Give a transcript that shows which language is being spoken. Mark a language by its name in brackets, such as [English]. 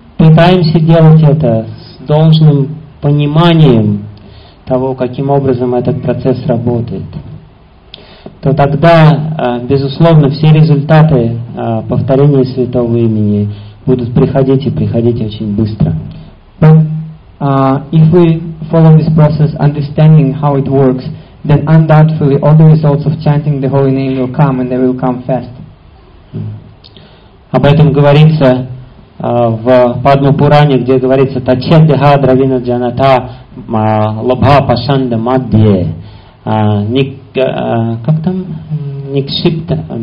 [Russian] пытаемся делать это с должным пониманием того, каким образом этот процесс работает, то тогда, безусловно, все результаты повторения святого имени будут приходить и приходить очень быстро. [English] If we follow this process, understanding how it works, then undoubtedly all the results of chanting the holy name will come, and they will come fast. [Russian] Об этом говорится в Падма Пуране, где говорится [Sanskrit] таче деха дравина джаната лобха пашанда мадье. [Russian] Как там? Никшипта.